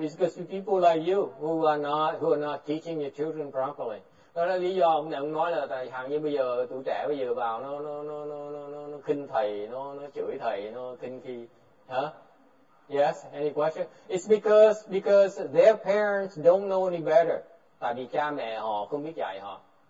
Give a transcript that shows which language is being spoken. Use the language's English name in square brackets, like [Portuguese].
[English] It's because of people like you who are not teaching your children properly. [Vietnamese] Đó là lý do ông nói là tại hàng như bây giờ tụi trẻ bây giờ vào nó khinh thầy, nó chửi thầy, nó khinh khi, hả? [English] Yes. Any question? It's because their parents don't know any better. [Vietnamese] Tại vì cha mẹ họ không biết dạy họ.